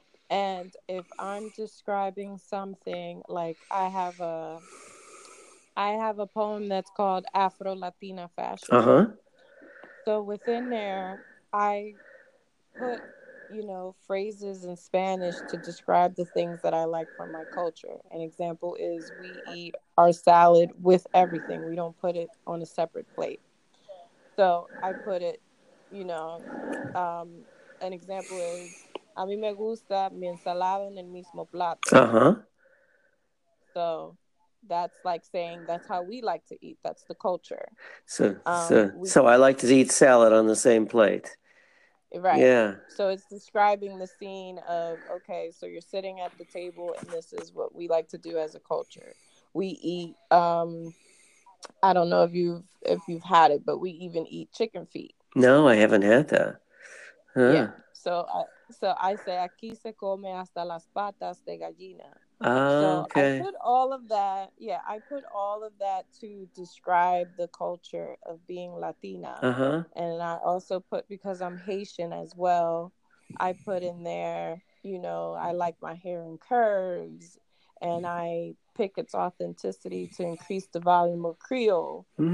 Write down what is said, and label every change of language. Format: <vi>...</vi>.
<en>And if I'm describing something, like I have a poem that's called Afro Latina Fashion. So within there, I put, phrases in Spanish to describe the things that I like from my culture. An example is we eat our salad with everything. We don't put it on a separate plate. So I put it, an example is</en> <es>a mí me gusta mi ensalada en el mismo plato.</es> <en>So that's like saying that's how we like to eat. That's the culture. So I like to eat salad on the same plate. Right. Yeah. So it's describing the scene of, okay, so you're sitting at the table and this is what we like to do as a culture. We eat, I don't know if you've had it, but we even eat chicken feet. No, I haven't had that. Yeah. So I say</en> <es>aquí se come hasta las patas de gallina.</es> <en>So I Okay. put all of that, yeah, I put all of that to describe the culture of being Latina. And I also put, because I'm Haitian as well, I put in there, I like my hair in curves and I pick its authenticity to increase the volume of Creole.</en>